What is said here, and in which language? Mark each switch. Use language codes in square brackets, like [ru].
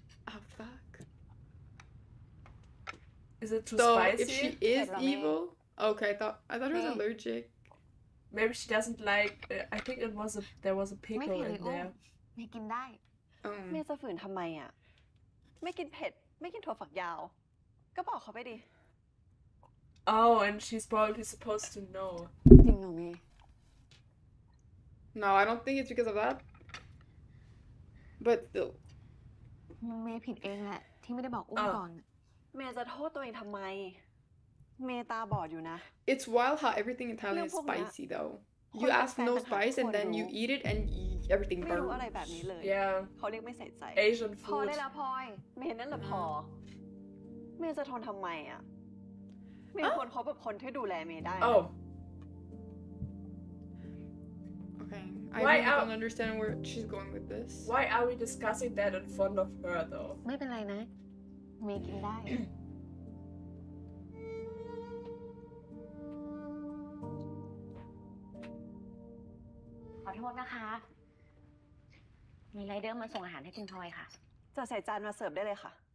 [en] Oh fuck. Is it too spicy? If she is evil? Okay, I thought she was allergic. Maybe she doesn't like, I think it was there was a pickle in there. [th] ไม่กินได้แม่จะฝืนทำไมอ่ะไม่กินเผ็ดไม่กินถั่วฝักยาวก็บอกเขาไปดิ [en] Oh, and she's probably supposed to know. [th] จริงเหรอแม่ [en] No, I don't think it's because of that. But still. [th] เมย์ผิดเองแหละที่ไม่ได้บอกอุ้มก่อนเมย์จะโทษตัวเองทำไมเมย์ตาบอดอยู่นะ [en] It's wild how everything in Thailand is spicy though. You ask no spice and then you eat it and everything burns. [th] ไม่รู้อะไรแบบนี้เลย [en] Yeah. [th] เขาเรียกไม่ใส่ใจ [en] Asian food. [th] พอได้ละพอยเมย์นั่นละพอเมย์จะทนทำไมอ่ะเมย์ควรคบกับคนที่ดูแลเมย์ได้ [en] Okay. I don't understand where she's going with this. Why are we discussing that in front of her, though? [th] ไม่เป็นไรนะเมย์กินได้ขอโทษนะคะมีไรเดอร์มาส่งอาหารให้คุณทอยค่ะจะใส่จานมาเสิร์ฟได้เลยค่ะ